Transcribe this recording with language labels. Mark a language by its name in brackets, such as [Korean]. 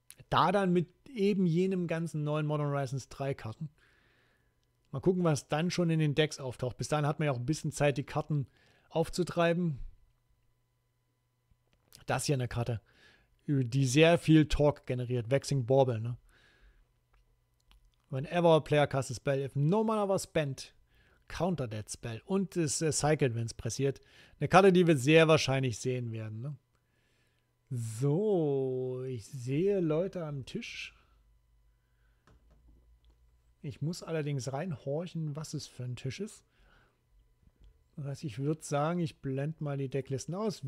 [German] Da dann mit eben jenem ganzen neuen Modern Horizons 3 Karten. Mal gucken, was dann schon in den Decks auftaucht. Bis dahin hat man ja auch ein bisschen Zeit, die Karten aufzutreiben. Das hier eine Karte, die sehr viel Talk generiert. Vexing Bauble, ne? [English] Whenever a player casts a spell, if no mana was spent, counter that spell. [German] Und es cycled, wenn es pressiert. Eine Karte, die wir sehr wahrscheinlich sehen werden. Ne? So, ich sehe Leute am Tisch. Ich muss allerdings reinhorchen, was es für ein Tisch ist. Das heißt, ich würde sagen, ich blende mal die Decklisten aus.